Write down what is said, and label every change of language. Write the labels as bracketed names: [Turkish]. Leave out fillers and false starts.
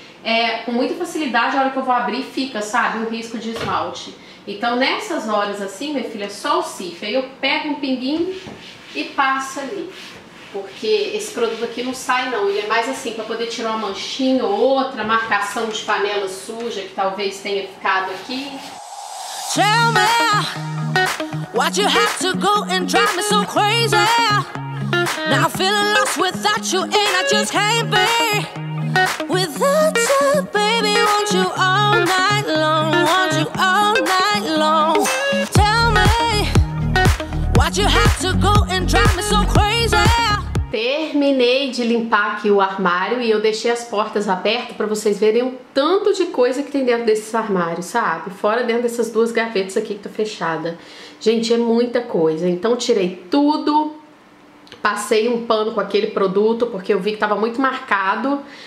[Portuguese] É, com muita facilidade, a hora que eu vou abrir, fica, sabe, um risco de esmalte. Então, nessas horas assim, minha filha, só o cife. Aí eu pego um pinguinho e passo ali. Porque esse produto aqui não sai, não. Ele é mais assim, pra poder tirar uma manchinha ou outra marcação de panela suja que talvez tenha ficado aqui. [English] Tell me what you have to go and drive me so crazy. Now I'm feeling lost without you and I just can't be. Without you, baby, want you all night long, want you all night long. Tell me, why'd you have to go and drive me so crazy? [Portuguese] Terminei de limpar aqui o armário e eu deixei as portas abertas pra vocês verem o tanto de coisa que tem dentro desses armários, sabe? Fora dentro dessas duas gavetas aqui que tá fechada. Gente, é muita coisa, então tirei tudo. Passei um pano com aquele produto, porque eu vi que tava muito marcado.